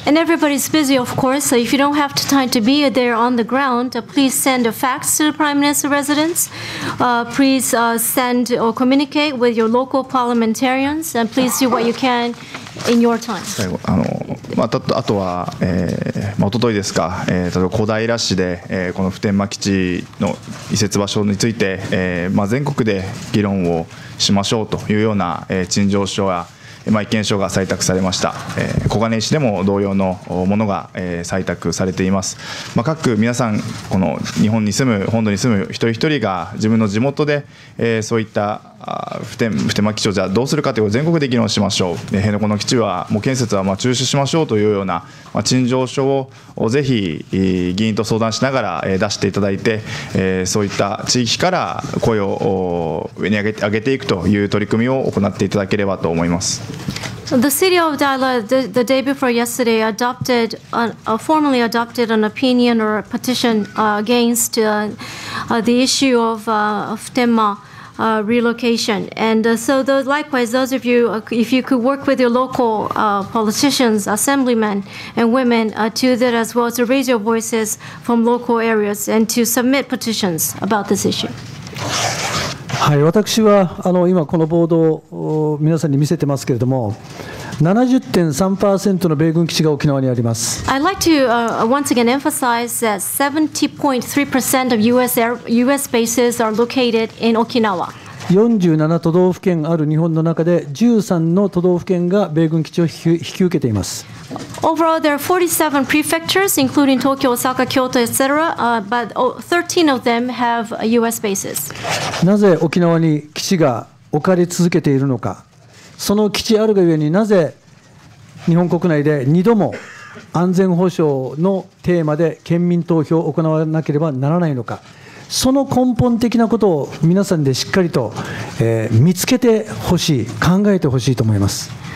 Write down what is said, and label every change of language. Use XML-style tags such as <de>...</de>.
<en>And everybody's busy, of course, so if you don't have time to be there on the ground, please send a fax to the Prime Minister's residence. Please send or communicate with your local parliamentarians, and please do what you can in your time.</en> <ja>最後、あとは、おとといですか、例えば小平市で、この普天間基地の移設場所について、全国で議論をしましょうというような陳情書や意見書が採択されました。小金井市でも同様のものが採択されています。各皆さん、この日本に住む本土に住む一人一人が自分の地元でそういった普天間基地をじゃあどうするかということを全国で議論しましょう、辺野古の基地はもう建設は中止しましょうというような陳情書をぜひ議員と相談しながら出していただいて、そういった地域から声を上に上げていくという取り組みを行っていただければと思います。</ja> <en>The city of Daila, the day before yesterday, formally adopted an opinion or a petition against the issue of Futenma relocation. And likewise, those of you, if you could work with your local politicians, assemblymen and women to that as well, to raise your voices from local areas and to submit petitions about this issue.</en> <ja>はい、私は今このボードを皆さんに見せてますけれども、 70.3% の米軍基地が沖縄にあります。</ja> <en>I'd like to once again emphasize that 70.3% of US bases are located in Okinawa.</en> <ja>47都道府県ある日本の中で13の都道府県が米軍基地を引き受けています。</ja> <en>Overall, there are 47 prefectures, including Tokyo, Osaka, Kyoto, etc. But 13 of them have U.S. bases.</en> <ja>なぜ沖縄に基地が置かれ続けているのか、その基地あるがゆえになぜ日本国内で2度も安全保障のテーマで県民投票を行わなければならないのか、その根本的なことを皆さんでしっかりと、見つけてほしい、考えてほしいと思います。</ja>